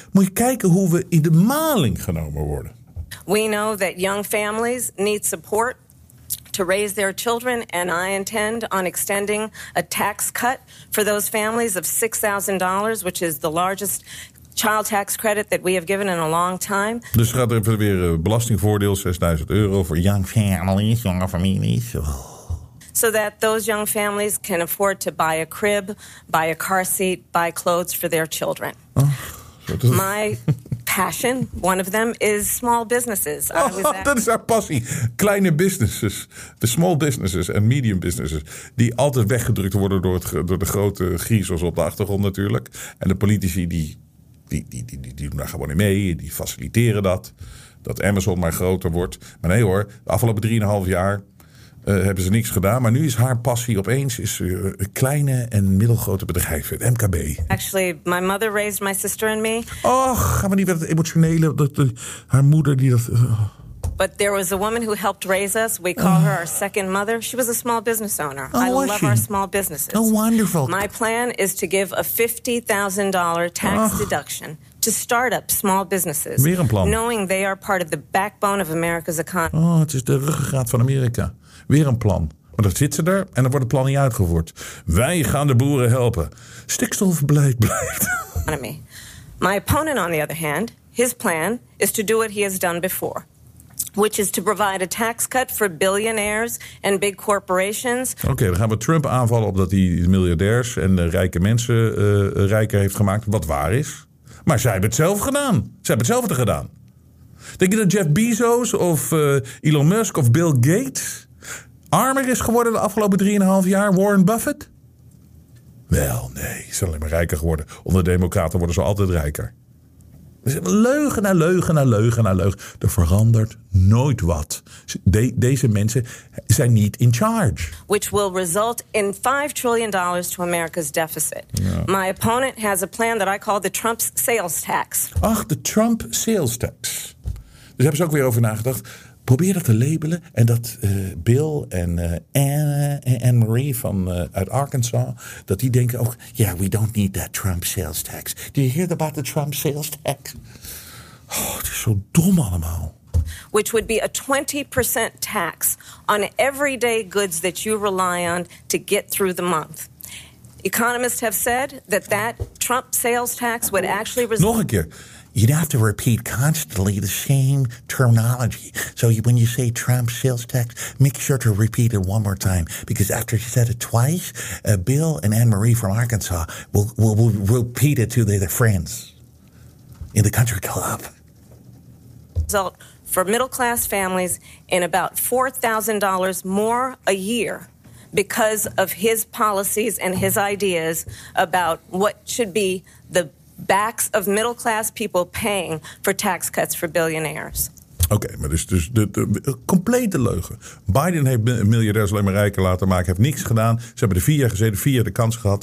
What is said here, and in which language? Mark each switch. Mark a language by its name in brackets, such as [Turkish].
[Dutch] Moet je kijken hoe we in de maling genomen worden. [English] We know that young families need support to raise their children, and I intend on extending a tax cut for those families of $6,000, which is the largest child tax credit that we have given in a long time. [Dutch] Dus gaat er even weer belastingvoordeel, €6,000 voor young families. [English] So that those young families can afford to buy a crib, buy a car seat, buy clothes for their children. Oh, is... My passion, one of them, is small businesses. [Dutch] Dat is haar passie. Kleine businesses. De small businesses en medium businesses. Die altijd weggedrukt worden door de grote griezels op de achtergrond natuurlijk. En de politici die doen daar gewoon in mee. Die faciliteren dat Amazon maar groter wordt. Maar nee hoor, de afgelopen 3,5 jaar hebben ze niks gedaan. Maar nu is haar passie opeens kleine en middelgrote bedrijven. Het MKB. [English] Actually, my mother raised my sister and me. [Dutch] Och, gaan we niet met het emotionele. Haar moeder die dat... [English] But there was a woman who helped raise us. We call her our second mother. She was a small business owner. Oh, I love she? Our small businesses. Oh, wonderful. My plan is to give a $50,000 tax deduction to start-up small businesses. [Dutch] Weer een plan. [English] Knowing they are part of the backbone of America's economy. [Dutch] Oh, het is de ruggengraat van Amerika. Weer een plan. Maar dan zitten ze er en dan wordt het plan niet uitgevoerd. Wij gaan de boeren helpen. Stikstofbeleid blijft. [English] My opponent, on the other hand, his plan is to do what he has done before. Which is to provide a tax cut for billionaires and big corporations. [Dutch] Oké, dan gaan we Trump aanvallen op dat hij miljardairs en rijke mensen rijker heeft gemaakt. Wat waar is. Maar zij hebben het zelf gedaan. Zij hebben hetzelfde gedaan. Denk je dat Jeff Bezos of Elon Musk of Bill Gates armer is geworden de afgelopen 3,5 jaar? Warren Buffett? Wel, nee. Ze zijn alleen maar rijker geworden. Onder de democraten worden ze altijd rijker. Leugen na leugen na leugen na leugen. Er verandert nooit wat. Deze mensen zijn niet in charge. [English] Which will result in $5 trillion to America's deficit. [Dutch] Ja. [English] My opponent has a plan that I call the Trump's sales tax. [Dutch] Ach, de Trump sales tax. Dus hebben ze ook weer over nagedacht. Probeer dat te labelen en dat Bill en Anne-Marie uit Arkansas, dat die denken ook, yeah, we don't need that Trump sales tax. [English] Do you hear about the Trump sales tax? [Dutch] Oh, het is zo dom allemaal. [English] Which would be a 20% tax on everyday goods that you rely on to get through the month. Economists have said that Trump sales tax would actually [Dutch] result... Nog een keer. [English] You'd have to repeat constantly the same terminology. So when you say Trump sales tax, make sure to repeat it one more time. Because after you said it twice, Bill and Anne-Marie from Arkansas will repeat it to their friends. in the country club. Result for middle-class families in about $4,000 more a year because of his policies and his ideas about what should be the backs of middle-class people paying for tax cuts for billionaires. [Dutch] Oké, okay, maar dus de complete leugen. Biden heeft miljardairs alleen maar rijker laten maken, heeft niks gedaan. Ze hebben er 4 jaar gezeten, 4 jaar de kans gehad.